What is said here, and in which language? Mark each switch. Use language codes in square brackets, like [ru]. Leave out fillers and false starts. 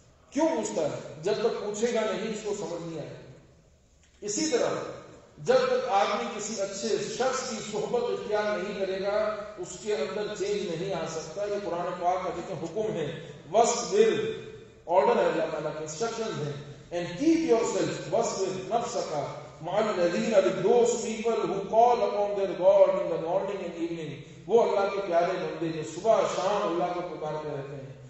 [ur] کیوں پوچھتا ہے؟ جب تک پوچھے گا نہیں اس کو سمجھ نہیں آئے گا. اسی طرح جب تک آدمی کسی اچھے شخص کی صحبت اختیار نہیں کرے گا اس کے اندر چینج نہیں آ سکتا. یہ قرآن پاک کا جتنے حکم ہے, وَصْبِرْ آرڈر ہے, اللہ تعالیٰ کے انسٹرکشن ہے. [en] And keep yourself [ar] وَصْبِرْ نَفْسَكَ مَعَ الَّذِينَ [en] those people who call upon their God in the morning and evening. [ur] وہ اللہ کے پیارے بندے جو صبح شام اللہ کو پکارتے رہتے ہیں.